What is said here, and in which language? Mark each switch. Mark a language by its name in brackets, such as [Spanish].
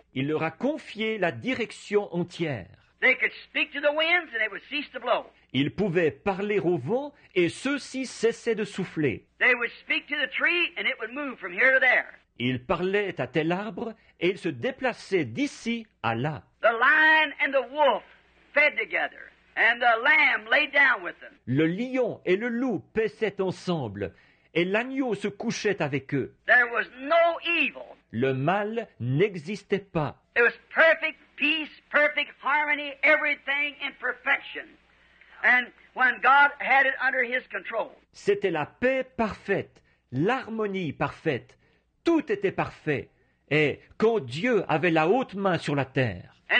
[French] Il leur a confié la direction entière. [English] They could speak to the winds and they would cease to blow. [French] Ils pouvaient parler au vent et ceux-ci cessaient de souffler. [English] They would speak to the tree and it would move from here to there. [French] Il parlait à tel arbre et il se déplaçait d'ici à là. [English] The lion and the wolf fed together, and the lamb lay down with them. [French] Le lion et le loup paissaient ensemble et l'agneau se couchait avec eux. [English] There was no evil. [French] Le mal n'existait pas. [English] It was perfect peace, perfect harmony, everything in perfection. And when God had it under his control. [French] C'était la paix parfaite, l'harmonie parfaite. Tout était parfait. Et quand Dieu avait la haute main sur la terre.